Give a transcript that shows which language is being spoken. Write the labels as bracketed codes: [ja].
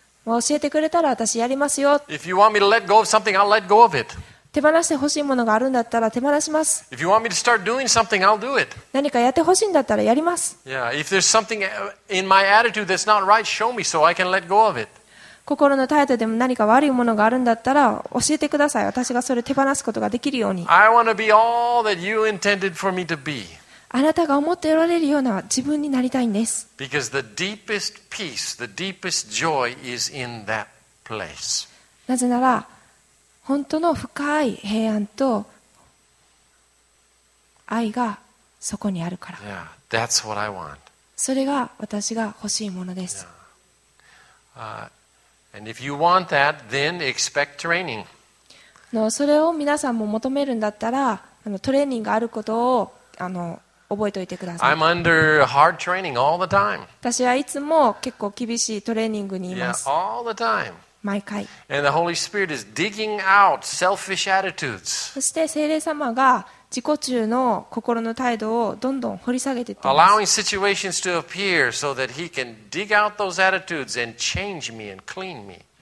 [ja] 教えてくれたら私やりますよ。 [en] If you want me to let go of something, I'll let go of it. [ja] 手放してほしいものがあるんだったら手放します。 [en] If you want me to start doing something, I'll do it. [ja] 何かやってほしいんだったらやります。 [en] Yeah, if there's something in my attitude that's not right, show me so I can let go of it. [ja] 心の態度でも何か悪いものがあるんだったら教えてください。私がそれ手放すことができるように。 [en] I want to be all that you intended for me to be. [ja] あなたが思っておられるような自分になりたいんです。 [en] Because the deepest peace, the deepest joy is in that place. [ja] なぜなら、本当の深い平安と愛がそこにあるから。 [en] Yeah, that's what I want. [ja] それが私が欲しいものです。 [en] And if you want that, then expect training. [ja] それを皆さんも求めるんだったら、トレーニングがあることを、覚えておいてください。 [en] I'm under hard training all the time. [ja] 私はいつも結構厳しいトレーニングにいます。 [en] Yeah, all the time. [ja] 毎回。 [en] And the Holy Spirit is digging out selfish attitudes. [ja] そして聖霊様が自己中の心の態度をどんどん掘り下げていってます。 [en] Allowing situations to appear so that He can dig out those attitudes and change me and clean me.